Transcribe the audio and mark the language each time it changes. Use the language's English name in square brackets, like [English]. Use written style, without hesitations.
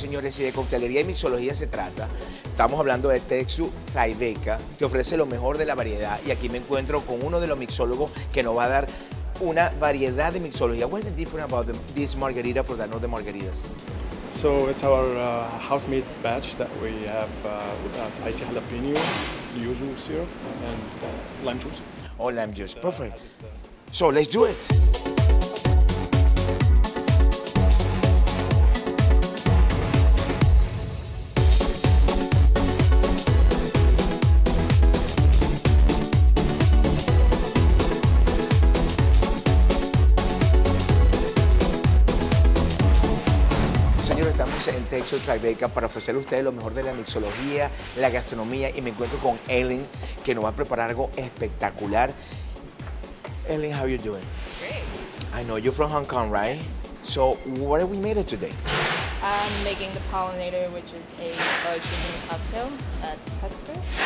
[Spanish] Si de coctelería y mixología se trata, estamos hablando de Texu Tribeca, que ofrece lo mejor de la variedad, y aquí me encuentro con uno de los mixólogos que nos va a dar una variedad de mixología. [English] What's the difference about this margarita for the other margaritas? So it's our house made batch that we have with spicy jalapeno, yuzu syrup and lime juice. Oh, lime juice, perfect. So let's do it. [Spanish] En Texas Tribeca para ofrecerle a ustedes lo mejor de la mixología, la gastronomía, y me encuentro con Ellen, que nos va a preparar algo espectacular. [English] Ellen, how are you doing? Great. I know you're from Hong Kong, right? Yes. So what are we made today? I'm making the pollinator, which is a chicken cocktail at Texas.